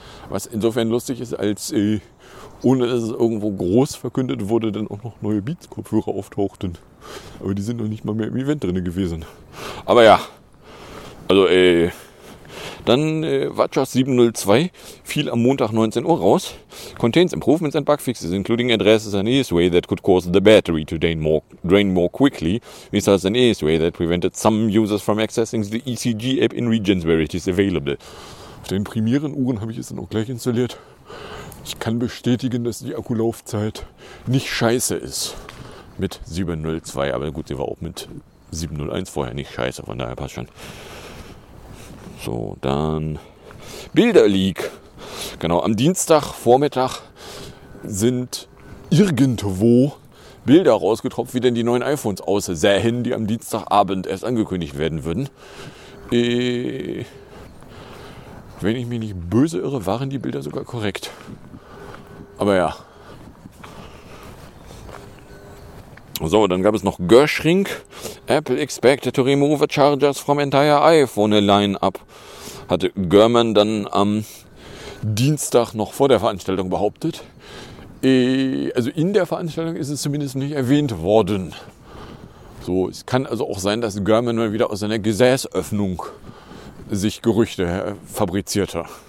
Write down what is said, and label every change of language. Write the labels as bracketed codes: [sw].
[de] Was insofern lustig ist, als ohne dass es irgendwo groß verkündet wurde, dann auch noch neue Beats-Kopfhörer auftauchten. Aber die sind noch nicht mal mehr im Event drin gewesen. Aber ja, also dann Watchers 702 fiel am Montag 19 Uhr raus. [en] Contains improvements and bug fixes, including addresses an ease way that could cause the battery to drain more quickly, besides an ease way that prevented some users from accessing the ECG app in regions where it is available. [de] Auf den primären Uhren habe ich es dann auch gleich installiert. Ich kann bestätigen, dass die Akkulaufzeit nicht scheiße ist mit 702, aber gut, sie war auch mit 701 vorher nicht scheiße, von daher passt schon. So, dann Bilderleak. Genau, am Dienstagvormittag sind irgendwo Bilder rausgetropft, wie denn die neuen iPhones aussähen, die am Dienstagabend erst angekündigt werden würden. Wenn ich mich nicht böse irre, waren die Bilder sogar korrekt. Aber ja. So, dann gab es noch Gershrink. [en] Apple expected to remove chargers from entire iPhone line-up. [de] Hatte Gurman dann am Dienstag noch vor der Veranstaltung behauptet. Also in der Veranstaltung ist es zumindest nicht erwähnt worden. So, es kann also auch sein, dass Gurman mal wieder aus seiner Gesäßöffnung sich Gerüchte fabrizierte.